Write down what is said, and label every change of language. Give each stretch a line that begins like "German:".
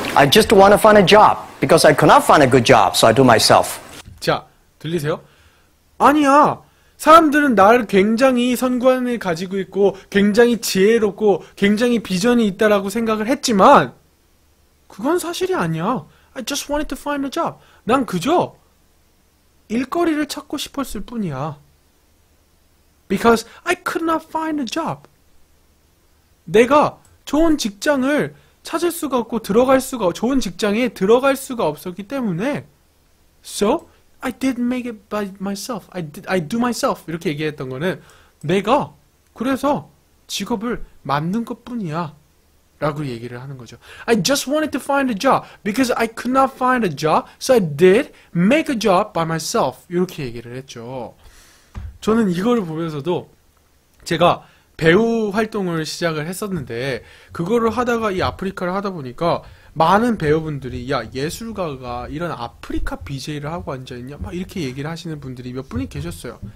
English: I just want to find a job because I could not find a good job, so I do myself.
Korean: 자, 들리세요? 아니야, 사람들은 나를 굉장히 선관을 가지고 있고 굉장히 지혜롭고 굉장히 비전이 있다라고 생각을 했지만 그건 사실이 아니야.
English: I just wanted to find a job.
Korean: 난 그저 일거리를 찾고 싶었을 뿐이야.
English: Because I could not find a job.
Korean: 내가 좋은 직장을 찾을 수가 없고 들어갈 수가 좋은 직장에 들어갈 수가 없었기 때문에
English: So I did make it by myself. I do myself.
Korean: 이렇게 얘기했던 거는 내가 그래서 직업을 만든 것뿐이야. 라고 얘기를 하는 거죠.
English: I just wanted to find a job because I could not find a job. So I did make a job by myself.
Korean: 이렇게 얘기를 했죠. 저는 이거를 보면서도 제가 배우 활동을 시작을 했었는데 그거를 하다가 이 아프리카를 하다 보니까 많은 배우분들이 야 예술가가 이런 아프리카 BJ를 하고 앉아있냐 막 이렇게 얘기를 하시는 분들이 몇 분이 계셨어요.